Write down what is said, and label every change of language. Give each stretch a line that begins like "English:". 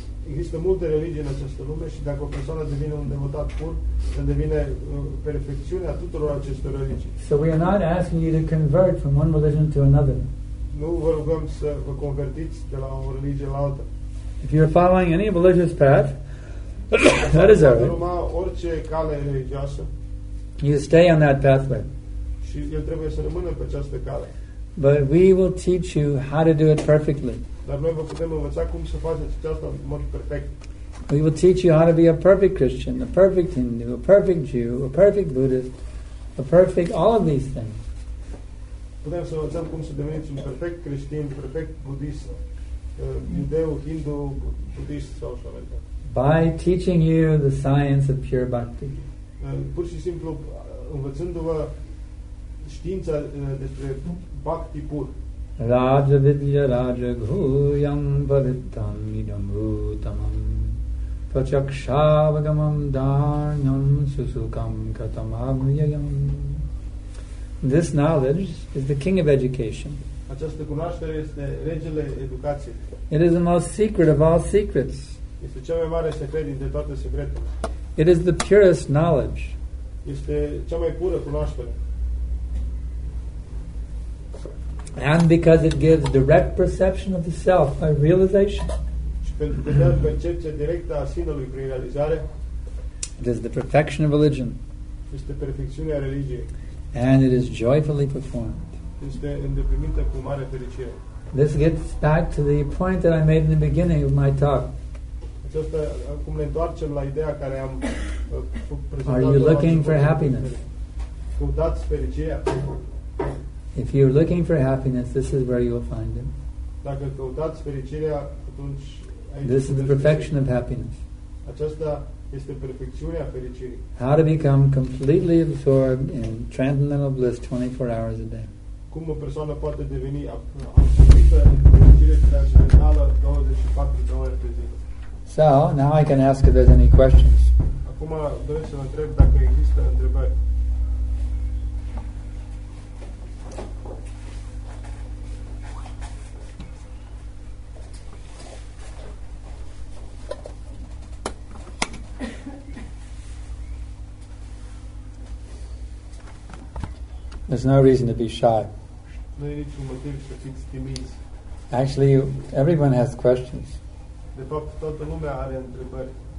Romanian: Există multe religii în această lume și dacă o persoană devine un devotat pur, se devine perfecțiunea tuturor acestor religii.
English: So we are not asking you to convert from one religion to another.
Romanian: Nu vă rugăm să vă convertiți de la o religie la alta.
English: If you are following any religious path, that is all right.
Romanian: Orice cale religioasă,
English: you stay on that pathway.
Romanian: Și el trebuie să rămână pe această cale.
English: But we will teach you how to do it perfectly.
Romanian: Dar noi vă putem învăța cum să faceți aceasta în mod perfect.
English: We will teach you how to be a perfect Christian, a perfect Hindu, a perfect Jew, a perfect Buddhist, a perfect all of these things.
Romanian: Putem să învățăm cum să deveniți un perfect creștin, perfect budist, iudeu, hindu, budist sau așa mai departe.
English: By teaching you the science of pure bhakti.
Romanian: Pur și simplu învățându-vă știința despre bhakti pur.
Sanskrit: Raja vidya raja ghoyam pavittam idam bhutamam prachakshavagamam dharnyam susukam katam avyayam.
English: This knowledge is the king of education.
Romanian: Această cunoaștere este regele educației.
English: It is the most secret of all secrets.
Romanian: Este cea mai mare secret dintre toate secretele.
English: It is the purest knowledge.
Romanian: Este cea mai pură cunoaștere.
English: And because it gives direct perception of the self by realization.
Romanian: Și pentru că dă percepția directă a sinelui prin realizare.
English: It is the perfection of religion.
Romanian: Este perfecțiunea religiei.
English: And it is joyfully performed.
Romanian: Este îndeplinită cu mare fericire.
English: This gets back to the point that I made in the beginning of my talk.
Romanian: Aceasta, acum ne întoarcem la ideea care am prezentat.
English: Are you looking for happiness?
Romanian: Căutați fericirea.
English: If you're looking for happiness, this is where you'll find it.
Romanian: Dacă căutați fericirea, atunci aici.
English: This is the perfection of happiness.
Romanian: Aceasta este perfecțiunea fericirii.
English: How to become completely absorbed in transcendental bliss 24 hours a day.
Romanian: Cum o persoană poate deveni absorbită în fericire transcendentală 24 de ore pe zi.
English: So, now I can ask if there's any questions.
Romanian: Acum doresc să vă întreb dacă există întrebări.
English: There's no reason to be shy. No need to motivate to fix the means. Actually, everyone has questions.
Romanian: De fapt, toată lumea are întrebări.